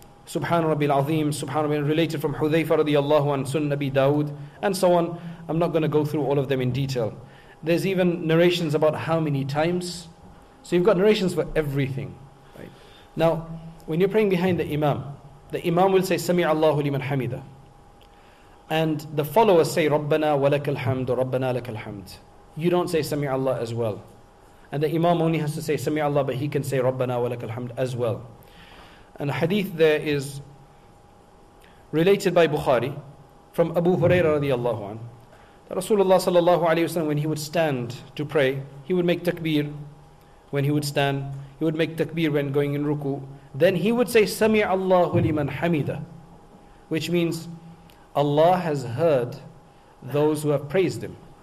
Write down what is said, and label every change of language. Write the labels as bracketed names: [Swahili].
[English] Subhan Rabbil Azim, Subhan Rabbil, related from Hudhayfa radiallahu anhu, Sunan Abi Dawud, and so on. I'm not going to go through all of them in detail. There's even narrations about how many times. So you've got narrations for everything. Right. Now, when you're praying behind the imam will say, [Arabic] سَمِعَ اللَّهُ لِمَنْ حَمِدًا. [English] And the followers say, [Arabic] رَبَّنَا وَلَكَ الْحَمْدُ رَبَّنَا لَكَ الْحَمْدُ. [English] You don't say, [Arabic] سَمِعَ اللَّهُ [English] as well. And the imam only has to say, سَمِعَ اللَّهُ, but he can say, [Arabic] رَبَّنَا وَلَكَ الْحَمْدُ [English] as well. And a hadith there is related by Bukhari from Abu Huraira radiallahu anhu. Rasulullah sallallahu alayhi wa sallam, when he would stand to pray, he would make takbir when he would stand, he would make takbir when going in ruku, then he would say, Sami Allahu liman hamida, which means Allah has heard those who have praised him.